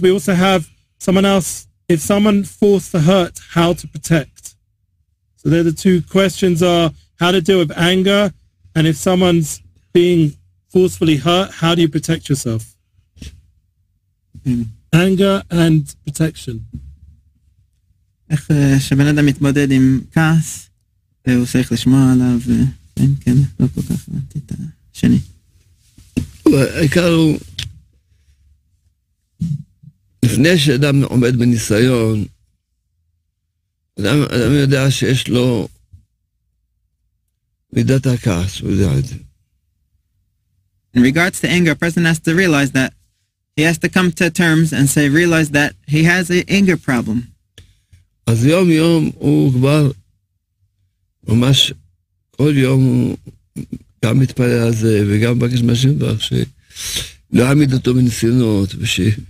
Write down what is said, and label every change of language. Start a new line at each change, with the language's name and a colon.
English: We also have someone else. If someone forced to hurt, how to protect? So they're the two questions are how to deal with anger, and if someone's being forcefully hurt, how do you protect yourself? Mm-hmm. Anger and protection.
Hebrew: איך שבן אדם מתמודד עם כעס, הוא צריך לשמוע עליו, אין כן, לא כל כך הבנתי את השני. העיקר הוא לפני שאדם עומד בניסיון, אדם יודע שיש לו מידת הכעס, הוא יודע את זה.
English: In regards to anger, a person has to realize that he has to come to terms and say, realize that he has an anger problem.
Hebrew: אז יום יום הוא כבר ממש כל יום גם מתפלל על זה וגם בקש משנבר שלא עמיד אותו בניסיונות וש...